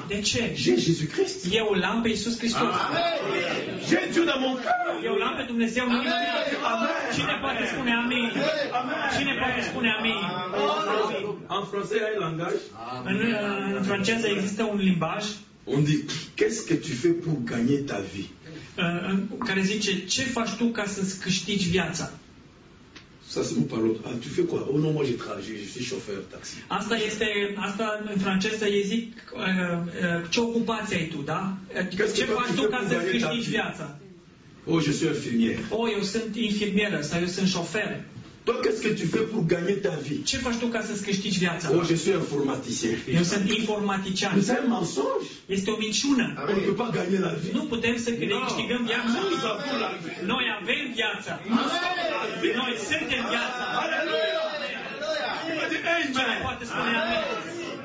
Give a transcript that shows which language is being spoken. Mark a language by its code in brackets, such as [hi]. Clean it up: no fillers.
[ro] De ce? [fr] J'ai Jésus-Christ. [ro] Eu l-am pe Iisus Hristos. [fr] Amen. J'ai Dieu dans mon cœur. [ro] Eu l-am pe Dumnezeu în inima mea. Amen. Cine poate spune amin? Amen. Cine poate spune amin? [fr] En français, il y a un langage. [ro] În franceză există un limbaj. [fr] On dit qu'est-ce que tu fais pour gagner ta vie? [ro] Care zice ce faci tu ca să-ți câștigi viața? [fr] Ça c'est pour l'autre. Ah, tu fais quoi? Oh non, moi j'ai travaillé, je suis chauffeur taxi. [ro] Asta este, asta în franceză ei zic ce ocupație ai tu, da? Ce faci tu ca să-ți câștigi viața? [fr] Oh, je suis infirmier. [ro] Oh, eu sunt infirmieră sau eu sunt șofer. [fr] Toi, qu'est-ce que tu fais pour gagner ta vie? [ro] Ce faci tu ca să-ți câștigi viața? [fr] Oh, je suis informaticien. [ro] Eu sunt informatician. [fr] Mais c'est un mensonge. [ro] Este o minciună. [fr] On ne peut pas gagner la vie. [ro] Nu putem să ne câștigăm viața. Amen. Noi avem viața. Amen. Noi suntem viața. Aleluia! Aleluia! Ce poate spune amen?